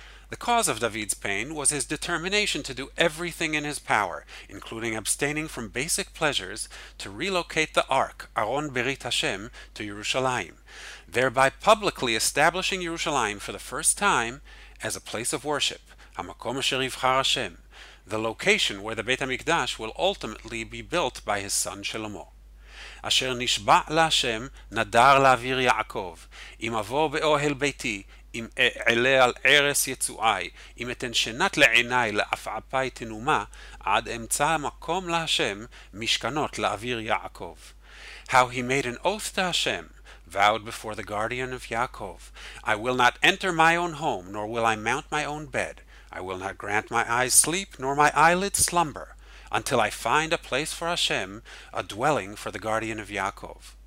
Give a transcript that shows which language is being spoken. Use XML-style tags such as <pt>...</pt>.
<en>The cause of David's pain was his determination to do everything in his power, including abstaining from basic pleasures, to relocate the Ark,</en> <he>Aron Berit Hashem,</he> <en>to Yerushalayim, thereby publicly establishing Yerushalayim for the first time as a place of worship,</en> <he>HaMakom Asher Yivchar Hashem,</he> <en>the location where the Beit HaMikdash will ultimately be built by his son Shlomo.</en> <he>אשר נשבע להשם נדר לאוויר יעקב, אם אבוא באוהל ביתי, אם אעלה על ערס יצועי, אם אתן שנת לעיני לאפעפי תנומה, עד אמצע מקום להשם משכנות לאוויר יעקב.</he> <en>How he made an oath to Hashem, vowed before the guardian of Yaakov, I will not enter my own home, nor will I mount my own bed. I will not grant my eyes sleep, nor my eyelids slumber, until I find a place for Hashem, a dwelling for the guardian of Yaakov.</en>